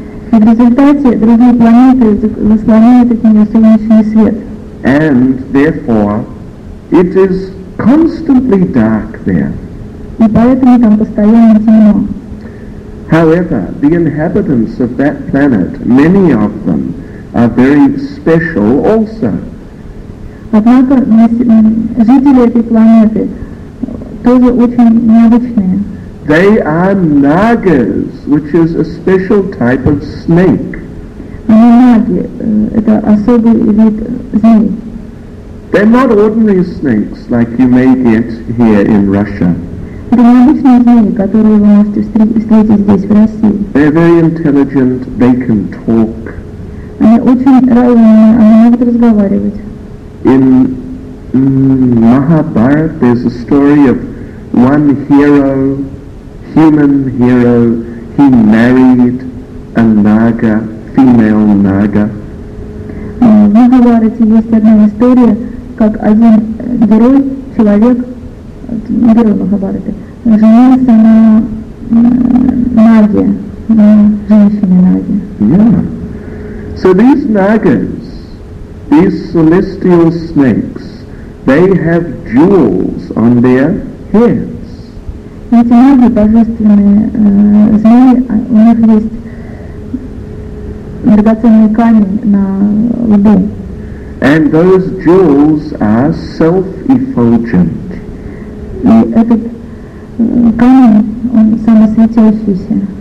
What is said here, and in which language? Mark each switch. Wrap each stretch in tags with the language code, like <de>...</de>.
<en>And therefore, it is constantly dark there. However, the inhabitants of that planet, many of them, are very special also.</en> <ru>Однако жители этой планеты тоже очень необычные.</ru> <en>They are nagas, which is a special type of snake.</en> <ru>Они наги, это особый вид змеи.</ru> <en>They're not ordinary snakes like you may get here in Russia.</en> <ru>Это необычные змеи, которые вы можете встретить здесь, в России.</ru> <en>They're very intelligent, they can talk.</en> <ru>Они очень разумные, они могут разговаривать.</ru> <en>In Mahabharata, there's a story of one hero, human hero, he married a naga, female naga.</en> <ru>В Махабхарате есть одна история, как один герой, человек, не герой Махабхараты, женился на наге, на женщине наге.</ru> <en>Yeah. So these nagas, these celestial snakes, they have jewels on their heads.</en> <ru>Эти наги, божественные змеи, у них есть драгоценный камень на лбу.</ru> <en>And those jewels are self-effulgent.</en> <ru>И этот камень, он самосветящийся.</ru>